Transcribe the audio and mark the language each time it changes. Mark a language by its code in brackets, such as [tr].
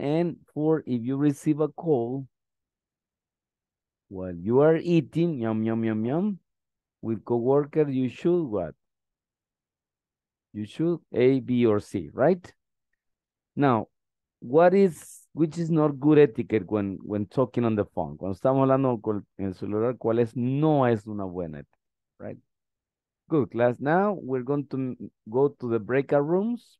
[en] And four, if you receive a call while you are eating, yum, yum, yum, yum, with coworker, you should what? You should A, B, or C, right? Now, which is not good etiquette when talking on the phone? [es] Cuando estamos hablando en el celular, ¿cuál es? No es una buena etiqueta, [en] right? Good, class. Now, we're going to go to the breakout rooms.